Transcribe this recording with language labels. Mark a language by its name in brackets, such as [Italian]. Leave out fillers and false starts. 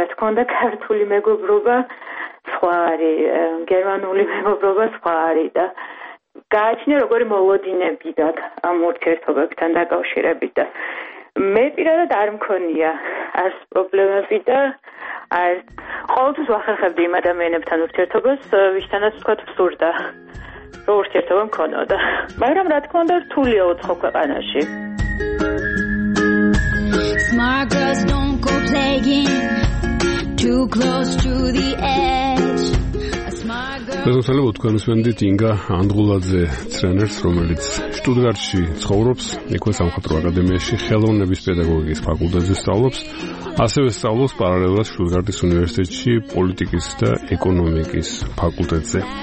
[Georgian] რა თქმა უნდა, ქართული მეგობრობა სხვა არის, გერმანული მეგობრობა სხვა არის და გააჩნია როგორი მოლოდინები ამ ურთიერთობებთან დაკავშირებით და მე პირადად არ მქონია არც პრობლემები და არ ყოველთვის ვახერხებდი იმ ადამიანებთან ურთიერთობას, ვისთანაც ვთქვათ ვსურდა, რომ ურთიერთობა მქონოდა. მაგრამ რა თქმა უნდა, რთულია უცხო ქვეყანაში. [English] Smart girls don't go playing too close to the edge. [Georgian] მოგესალმებით, თქვენ უსმენთ ინგა ანდღულაძე ტრენერს, რომელიც შტუტგარტში ცხოვრობს, იქვე სამხატვრო აკადემიაში ხელოვნების პედაგოგიკის ფაკულტეტზე სწავლობს, ასევე სწავლობს პარალელურად შტუტგარტის უნივერსიტეტში პოლიტიკის და ეკონომიკის ფაკულტეტზე.